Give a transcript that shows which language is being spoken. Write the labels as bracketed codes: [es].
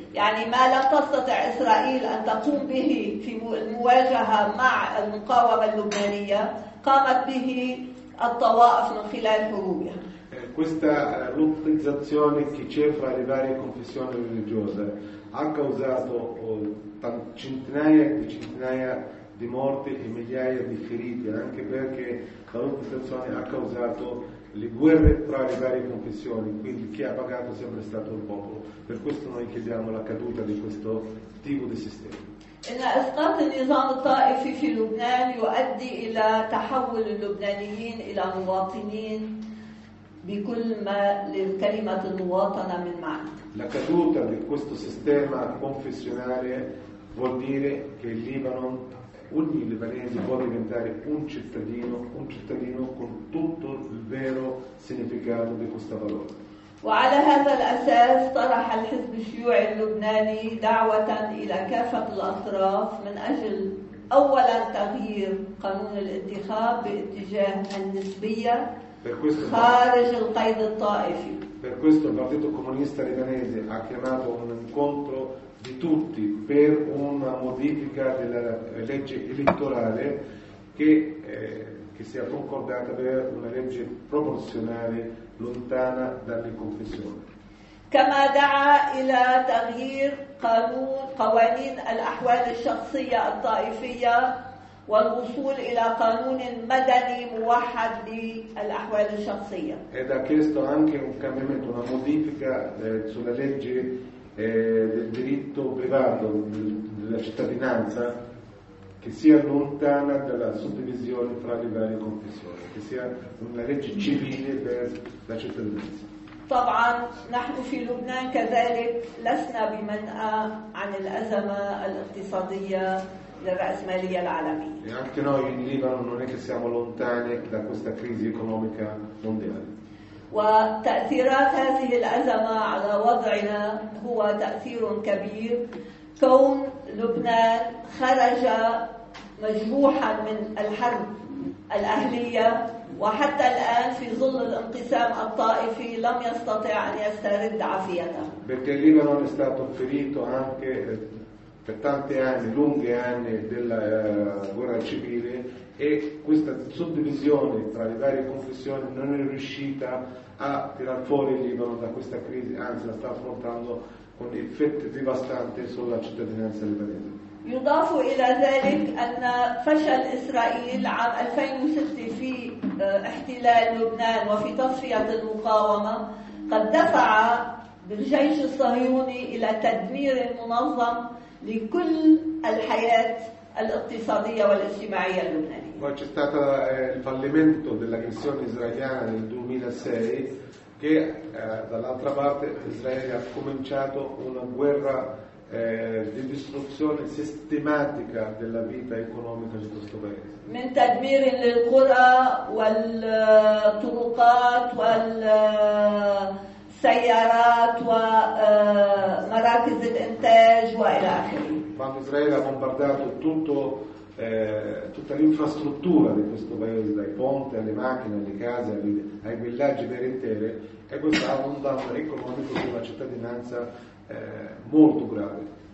[ar] يعني ما لم تستطع إسرائيل أن تقوم به في المواجهة مع المقاومة اللبنانية قامت به الطوائف من خلال حروبها. [it] Questa lottizzazione che c'è fra le varie confessioni religiose ha causato centinaia e centinaia di morti e migliaia di feriti, anche perché la lottizzazione ha causato le guerre tra le varie confessioni, quindi chi ha pagato è sempre stato il popolo. Per questo noi chiediamo la caduta di questo tipo di sistema. [ar] إن إسقاط النظام الطائفي في لبنان يؤدي إلى تحول اللبنانيين إلى مواطنين بكل ما لكلمة المواطنة من معنى. [it] La caduta di questo sistema confessionale vuol dire che il Libano, ogni libanese può diventare un cittadino con tutto il vero significato di questa parola. [ar] وعلى هذا الأساس طرح الحزب الشيوعي اللبناني دعوة إلى كافة الأطراف من أجل أولا تغيير قانون الانتخاب باتجاه النسبية خارج القيد الطائفي. [it] Per questo il Partito Comunista Libanese ha chiamato un incontro di tutti per una modifica della legge elettorale che sia concordata per una legge proporzionale lontana dalle confessioni. [ar] كما دعا إلى تغيير قوانين الأحوال الشخصية الطائفية والوصول إلى قانون مدني موحد للأحوال الشخصية. [it] Ed ha chiesto anche un cambiamento, una modifica sulla legge del diritto privato della cittadinanza che sia lontana dalla suddivisione fra le varie confessioni, che sia una legge civile per la cittadinanza. [ar] طبعا نحن في لبنان كذلك لسنا بمنأى عن الأزمة الاقتصادية للرأسمالية العالمية. [it] E anche noi in Libano non è che siamo lontani da questa crisi economica mondiale. [ar] وتأثيرات هذه الأزمة على وضعنا هو تأثير كبير. كون لبنان خرج مجروحا من الحرب الأهلية وحتى الآن في ظل الانقسام الطائفي لم يستطع أن يسترد عافيته. [it] Perché il Libano è stato ferito anche per tanti anni, lunghi anni della guerra civile e questa suddivisione tra le varie confessioni non è riuscita a tirar fuori il Libano da questa crisi, anzi la sta affrontando con effetti devastanti sulla cittadinanza libanese. [ar] يضاف إلى ذلك أن فشل إسرائيل عام 2006 في احتلال لبنان وفي تصفية المقاومة قد دفع بالجيش الصهيوني إلى تدمير منظم لكل الحياة الاقتصادية والاجتماعية اللبنانية. [it] Poi c'è stato il fallimento dell'aggressione israeliana nel 2006 che dall'altra parte Israele ha cominciato una guerra di distruzione sistematica della vita economica di questo paese. [ar] من تدمير للقرى والطرقات والسيارات ومراكز الانتاج والى اخره. [it] Quando Israele ha bombardato tutto tutta l'infrastruttura di questo paese, dai ponti alle macchine, alle case, ai villaggi per intere, e questo ha un danno economico sulla cittadinanza molto grave.